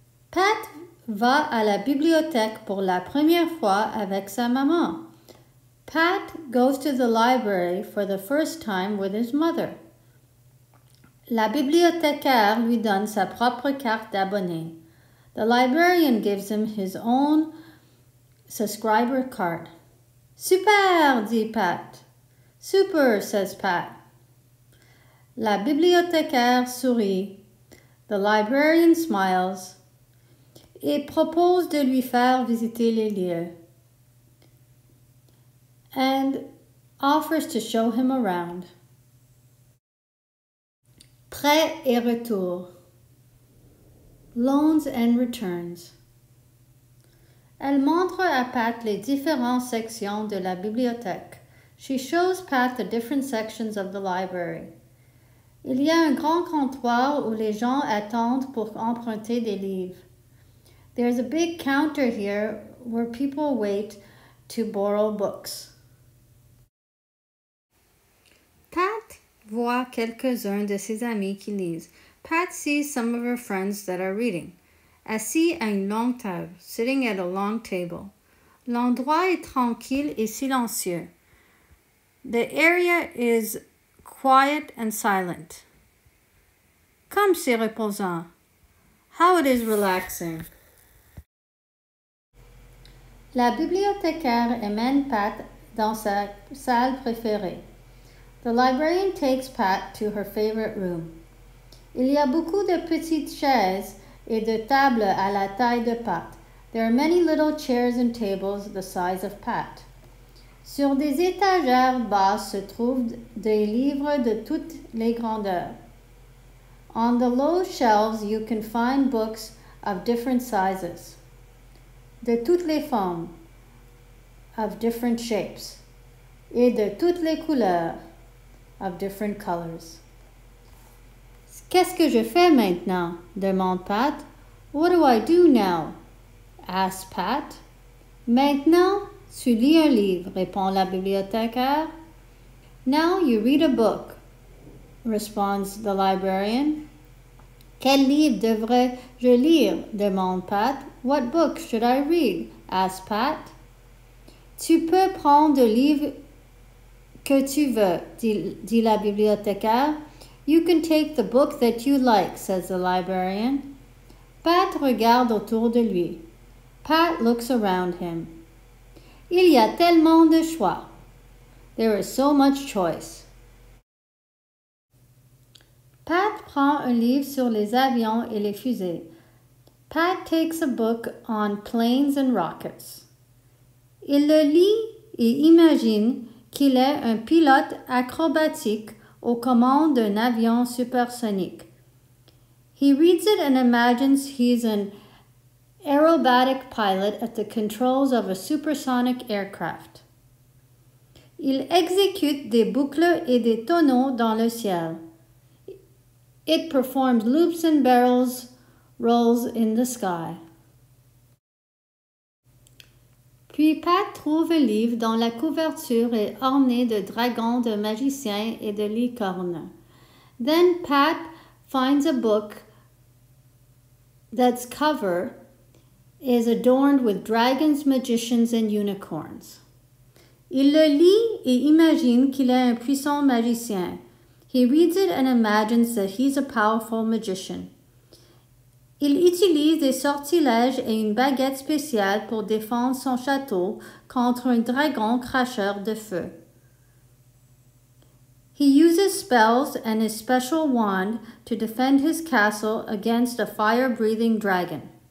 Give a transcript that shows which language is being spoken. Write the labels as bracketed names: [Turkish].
[French] Pat va à la bibliothèque pour la première fois avec sa maman. [English] Pat goes to the library for the first time with his mother. [French] La bibliothécaire lui donne sa propre carte d'abonné. [English] The librarian gives him his own subscriber card. [French] Super, dit Pat. [English] Super, says Pat. [French] La bibliothécaire sourit. [English] The librarian smiles [French] et propose de lui faire visiter les lieux. [English] And offers to show him around. [French] Prêt et retour. [English] Loans and returns. [French] Elle montre à Pat les différentes sections de la bibliothèque. [English] She shows Pat the different sections of the library. [French] Il y a un grand comptoir où les gens attendent pour emprunter des livres. [English] There's a big counter here where people wait to borrow books. [French] Pat voit quelques-uns de ses amis qui lisent. [English] Pat sees some of her friends that are reading. [French] Assis à une longue table, [English] sitting at a long table. [French] L'endroit est tranquille et silencieux. [English] The area is quiet and silent. [French] Comme c'est reposant. [English] How it is relaxing. [French] La bibliothécaire emmène Pat dans sa salle préférée. [English] The librarian takes Pat to her favorite room. [French] Il y a beaucoup de petites chaises et de table à la taille de Pat. [English] There are many little chairs and tables the size of Pat. [French] Sur des étagères basses se trouvent des livres de toutes les grandeurs. [English] On the low shelves, you can find books of different sizes, [French] de toutes les formes, [English] of different shapes, [French] et de toutes les couleurs, [English] of different colors. [French] Qu'est-ce que je fais maintenant? Demande Pat. [English] What do I do now? Asks Pat. [French] Maintenant, tu lis un livre, répond la bibliothécaire. [English] Now you read a book, responds the librarian. [French] Quel livre devrais-je lire? Demande Pat. [English] What book should I read? Asks Pat. [French] Tu peux prendre le livre que tu veux, dit la bibliothécaire. [English] You can take the book that you like, says the librarian. [French] Pat regarde autour de lui. [English] Pat looks around him. [French] Il y a tellement de choix. [English] There is so much choice. [French] Pat prend un livre sur les avions et les fusées. [English] Pat takes a book on planes and rockets. [French] Il le lit et imagine qu'il est un pilote acrobatique aux commandes d'un avion supersonique. [English] He reads it and imagines he's an aerobatic pilot at the controls of a supersonic aircraft. [French] Il exécute des boucles et des tonneaux dans le ciel. [English] It performs loops and barrels rolls in the sky. [French] Puis Pat trouve un livre dont la couverture est ornée de dragons, de magiciens et de licornes. [English] Then Pat finds a book that's cover is adorned with dragons, magicians, and unicorns. [French] Il le lit et imagine qu'il est un puissant magicien. [English] He reads it and imagines that he's a powerful magician. [French] Il utilise des sortilèges et une baguette spéciale pour défendre son château contre un dragon cracheur de feu. [English] He uses spells and his special wand to defend his castle against a fire-breathing dragon.